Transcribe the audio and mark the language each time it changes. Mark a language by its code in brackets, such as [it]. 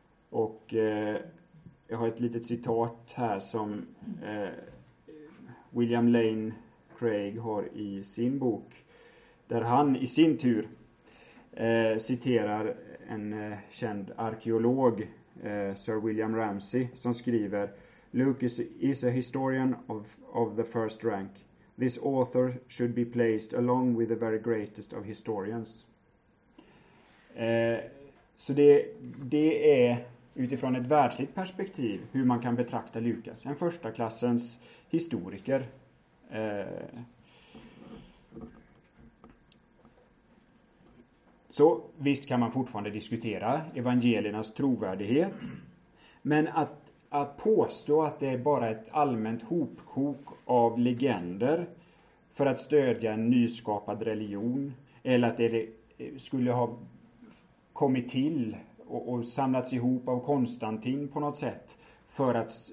[sv] Och jag har ett litet citat här som William Lane Craig har i sin bok, där han i sin tur citerar en känd arkeolog, Sir William Ramsay, som skriver: [en] "Luke is a historian of the first rank. This author should be placed along with the very greatest of historians." [sv] Så det är utifrån ett världsligt perspektiv hur man kan betrakta Lukas, en första klassens historiker. Så visst kan man fortfarande diskutera evangeliernas trovärdighet, men att påstå att det är bara ett allmänt hopkok av legender för att stödja en nyskapad religion, eller att det skulle ha kommit till och samlats ihop av Konstantin på något sätt för att